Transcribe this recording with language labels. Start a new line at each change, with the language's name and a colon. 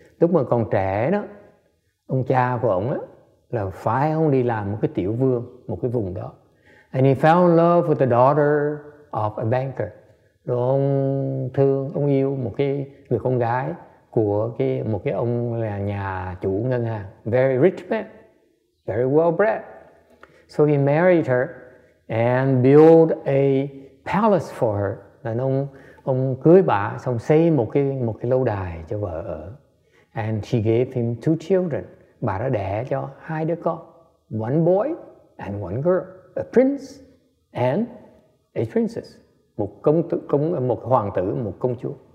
Vietnamese: Lúc mà còn trẻ đó, ông cha của ông á là phái ông đi làm một cái tiểu vương một cái vùng đó.
English: And he fell in love with the daughter of a banker.
Vietnamese: Rồi ông thương, ông yêu một cái người con gái của cái một cái ông là nhà chủ ngân hàng,
English: very rich man, very well bred. So he married her and built a palace for her.
Vietnamese: Là ông cưới bà xong xây một cái lâu đài cho vợ ở.
English: And she gave him two children.
Vietnamese: Bà đã đẻ cho hai đứa con,
English: one boy and one girl, a prince and a princess,
Vietnamese: một hoàng tử, một công chúa.